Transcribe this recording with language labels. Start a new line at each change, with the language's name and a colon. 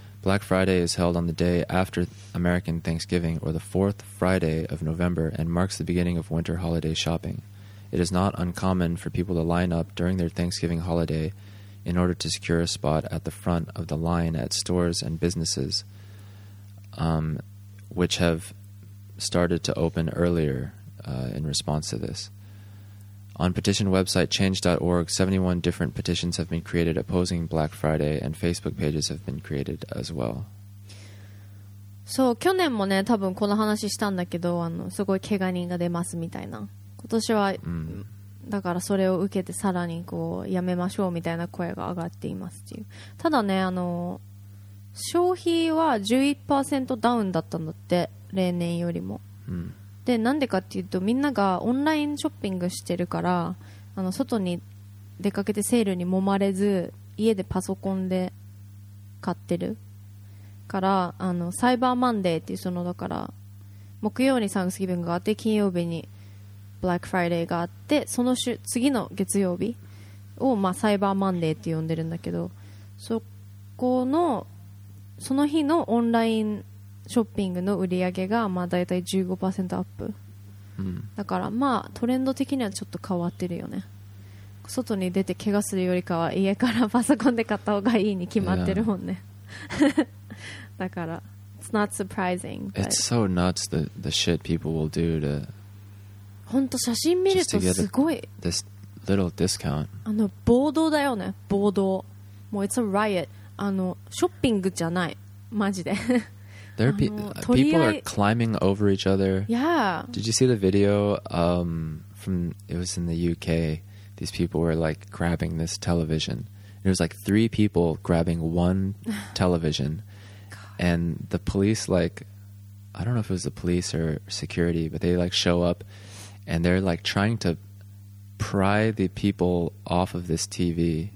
English: Black Friday is held on the day after American Thanksgiving, or the fourth Friday of November, and marks the beginning of winter holiday shoppingIt is not uncommon for people to line up during their Thanksgiving holiday in order to secure a spot at the front of the line at stores and businesses, which have started to open earlier in response to this. On petition website change.org, 71 different petitions have been created opposing Black Friday, and Facebook pages have been created as well.
Japanese: そう、去年もね、多分この話したんだけど、あの、すごい怪我人が出ますみたいな。今年はだからそれを受けてさらにこうやめましょうみたいな声が上がっていますっていう。ただね、あの消費は 11% ダウンだったんだって、例年よりも。でなんでかっていうと、みんながオンラインショッピングしてるから、あの外に出かけてセールに揉まれず家でパソコンで買ってるから、あのサイバーマンデーっていう、そのだから木曜にサンクスギビングがあって金曜日にブラックフライデーがあって、その次の月曜日を、まあ、サイバーマンデーって呼んでるんだけど、そこのその日のオンラインショッピングの売り上げが、まあ、大体 15% アップ、だからまあトレンド的にはちょっと変わってるよね。外に出て怪我するよりかは家からパソコンで買った方がいいに決まってるもんね。だから
English: It's not surprising. It's so nuts the shit people will do to
Japanese: 本当写真見るとすごい。
English: This little discount.
Japanese: あの暴動だよね、暴動。もう
English: it's a riot.
Japanese: あのショッピングじゃないマジで。
English: There are people are climbing over each other. Yeah. Did you see the video? It was in the UK. These people were like grabbing this television. It was like three people grabbing one television, and the police, like, I don't know if it was the police or security, but they like show up, and they're like trying to pry the people off of this TV.